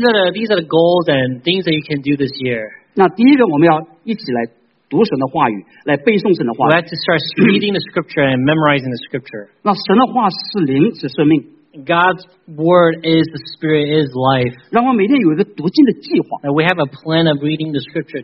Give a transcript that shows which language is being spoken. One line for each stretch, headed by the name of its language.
English: So these are the goals and things that you can do this year.
Chinese: 那第一个我们要一起来读神的话语来背诵神的话语。
English: We have to start reading the scripture and memorizing the scripture.
Chinese: 那神的话是灵是生命。
English: God's word is the spirit, is life. That we have a plan of reading the scripture.